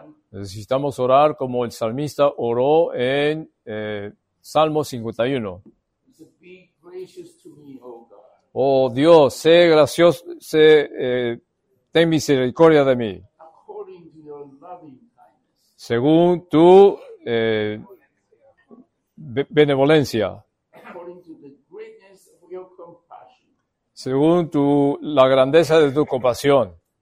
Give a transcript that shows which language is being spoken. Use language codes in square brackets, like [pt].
[es] Necesitamos orar como el salmista oró en Salmo 51. [en] Be gracious to me, oh God. [es] Oh Dios, sé gracioso, sé, ten misericordia de mí. [en] According to your loving kindness. [es] Según tu benevolencia. [en] According to the greatness of your compassion. [es] Según tu, la grandeza de tu compasión.